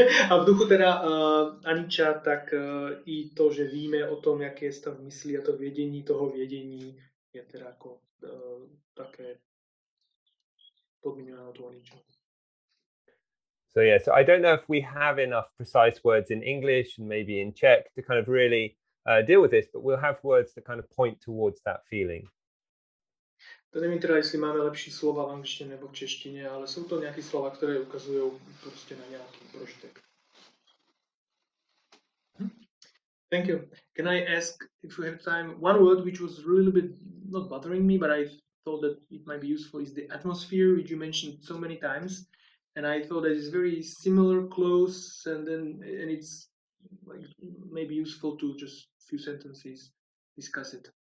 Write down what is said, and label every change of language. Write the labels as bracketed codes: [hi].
[cs] A v duchu teda Anicca, tak i to, že víme o tom, jaký je stav mysli a to vědění toho vědění, je teda jako také podmíněno to Anicca. [en] So yeah, so I don't know if we have enough precise words in English and maybe in Czech to kind of really deal with this, but we'll have words that kind of point towards that feeling. [cs] To nevím teda, jestli máme lepší slova v angličtině nebo v češtině, ale jsou to nějaké slova, které ukazují prostě na nějaký prožitek. [en] Thank you. Can I ask, if we have time, one word which was a little bit not bothering me, but I thought that it might be useful, is the atmosphere, which you mentioned so many times. And I thought that it's very similar, close, and it's like maybe useful to just a few sentences discuss it.